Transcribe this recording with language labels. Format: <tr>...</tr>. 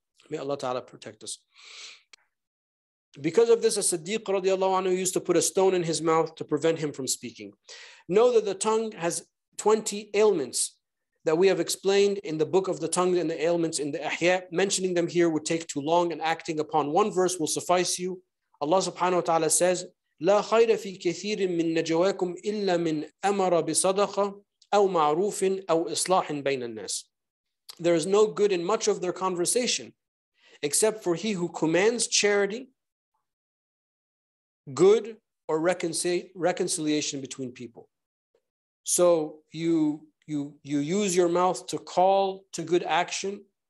<en>May Allah Ta'ala protect us. Because of this, a Siddiq radiallahu anhu used to put a stone in his mouth to prevent him from speaking. Know that the tongue has 20 ailments that we have explained in the book of the tongue and the ailments in the Ahya. Mentioning them here would take too long, and acting upon one verse will suffice you. Allah subhanahu wa ta'ala says,</en> <ar>لا خير في كثير من نجواكم إلا من أمر بصدقة أو معروف أو إصلاح بين الناس.</ar> <en>There is no good in much of their conversation, except for he who commands charity, good, or reconciliation between people. So you use your mouth to call to good action.</en>